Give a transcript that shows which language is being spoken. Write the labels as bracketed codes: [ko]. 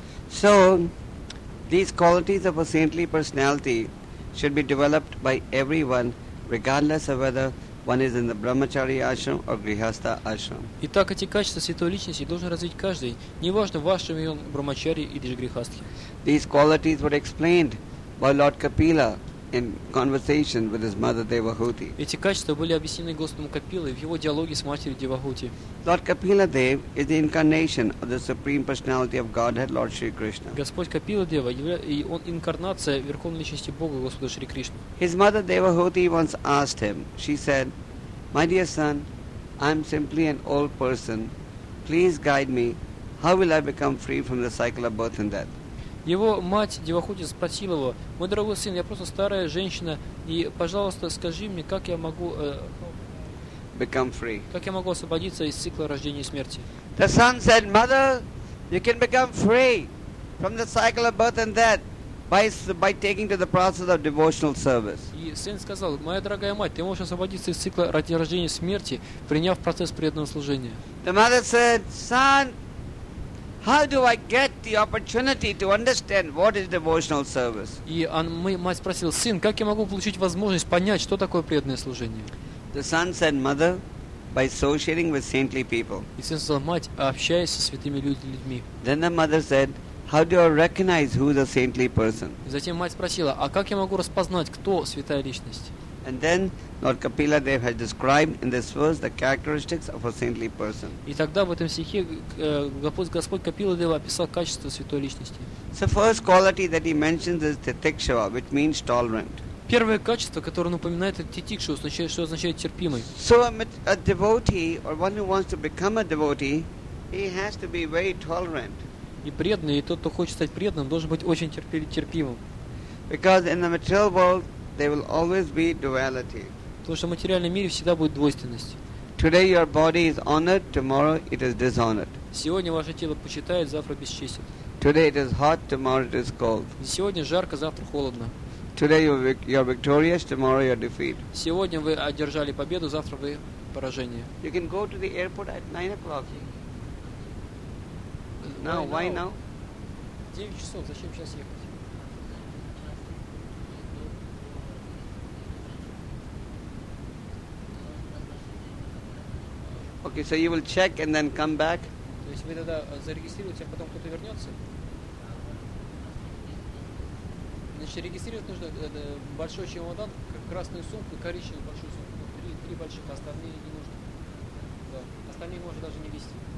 [en] So these qualities of a saintly personality should be developed by everyone, regardless of whether one is in the brahmachari ashram or grihastha ashram. [ru] Итак, эти качества святой личности должен развить каждый, неважно в вашем ли он брахмачари или же грихастхи. [en] These qualities were explained by Lord Kapila in conversation with his mother Devahuti. [ru] Эти качества были объяснены Господом Капилой в его диалоге с матерью Девахути. [en] Lord Kapila Dev is the incarnation of the supreme personality of Godhead, Lord Shri Krishna. [ru] Господь Капила Дева, и он инкарнация верховной личности Бога Господа Шри Кришны. [en] His mother Devahuti once asked him. She said, "My dear son, I am simply an old person. Please guide me. How will I become free from the cycle of birth and death?" [ru] Его мать Девахути спросила его: «Мой дорогой сын, я просто старая женщина, и, пожалуйста, скажи мне, как я могу [en] become free. [ru] Как я могу освободиться из цикла рождения и смерти?» [en] The son said, "Mother, you can become free from the cycle of birth and death by taking to the process of devotional service." [ru] И сын сказал: «Моя дорогая мать, ты можешь освободиться из цикла рождения и смерти, приняв процесс преданного служения." [en] The mother said, "Son, How do I get the opportunity to understand what is devotional service? [ru] И мать спросила: сын, как я могу получить возможность понять, что такое преданное служение? [en] The son said, mother, by associating with saintly people. [ru] И сын сказал: мать, общаясь со святыми людьми. [en] Then the mother said, how do I recognize who is a saintly person? [ru] И затем мать спросила: а как я могу распознать, кто святая личность? [en] And then Lord Kapila Dev has described in this verse the characteristics of a saintly person. [ru] И тогда в этом стихе Господь Капила Дева описал качества святой личности. [en] The first quality that he mentions is titikshava, which means tolerant. [ru] Первое качество, которое он упоминает, это титикшу, что означает терпимый. [en] So a devotee or one who wants to become a devotee, he has to be very tolerant. [ru] И преданный, и тот, кто хочет стать преданным, должен быть очень терпимым. [en] Because in the material world there will always be duality. [ru] Потому что в материальном мире всегда будет двойственность. [en] Today your body is honored, tomorrow it is dishonored. [ru] Сегодня ваше тело почитают, завтра бесчестят. [en] Today it is hot, tomorrow it is cold. [ru] Сегодня жарко, завтра холодно. [en] Today you're victorious, tomorrow you're defeat. [ru] Сегодня вы одержали победу, завтра вы поражение. [en] You can go to the airport at 9 o'clock. Now, why now? [ru] 9 часов. Зачем сейчас ехать? [en] Okay, so you will check and then come back. [ru] То есть вы тогда зарегистрируете, а потом кто-то вернется? Значит, регистрировать нужно большой чемодан, красную сумку, коричневую большую сумку. Три больших, остальные не нужно. Да. Остальные можно даже не вести.